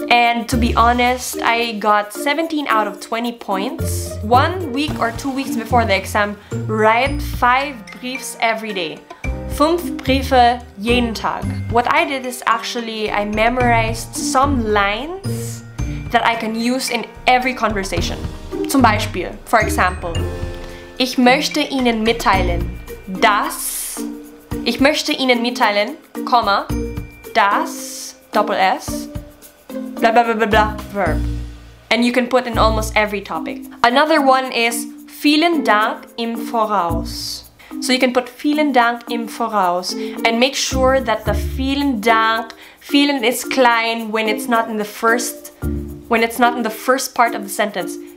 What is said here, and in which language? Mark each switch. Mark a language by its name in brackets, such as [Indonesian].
[English] And to be honest, I got 17 out of 20 points. 1 week or 2 weeks before the exam, write 5 Briefs every day. [German] 5 Briefe jeden Tag. [English] What I did is actually I memorized some lines that I can use in every conversation. [German] Zum Beispiel, [English] for example, [German] ich möchte Ihnen mitteilen, dass, ich möchte Ihnen mitteilen, Komma, das, SS, bla bla bla bla bla, Verb. [English] And you can put in almost every topic. Another one is [German] vielen Dank im Voraus. [English] So you can put [German] vielen Dank im Voraus [English] and make sure that the vielen Dank, vielen is klein when it's not in the first, when it's not in the first part of the sentence.